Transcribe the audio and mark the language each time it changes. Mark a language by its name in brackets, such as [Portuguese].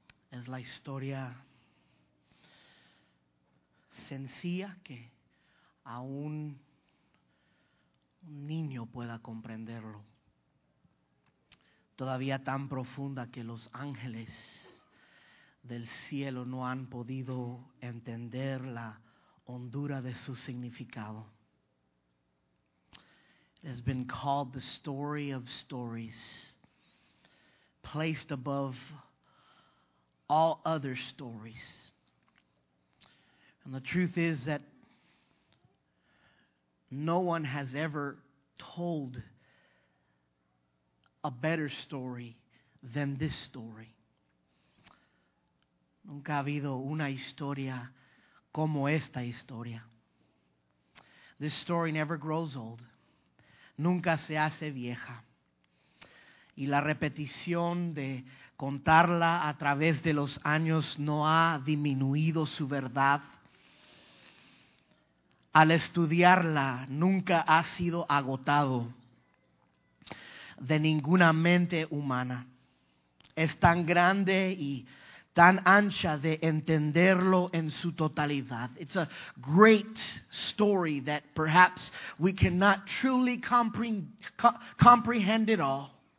[Spanish] Es la historia sencilla que aún un niño pueda comprenderlo. Todavía tan profunda que los ángeles del cielo no han podido entender la hondura de su significado. [English] It has been called the story of stories, placed above all other stories. And the truth is that no one has ever told a better story than this story. [Spanish] Nunca ha habido una historia como esta historia. [English] This story never grows old. [Spanish] Nunca se hace vieja. Y la repetición de contarla a través de los años no ha disminuido su verdad. Al estudiarla, nunca ha sido agotado de ninguna mente humana. Es tan grande y tan ancha de entenderlo en su totalidad. [English] It's a great story that perhaps we cannot truly comprehend it all.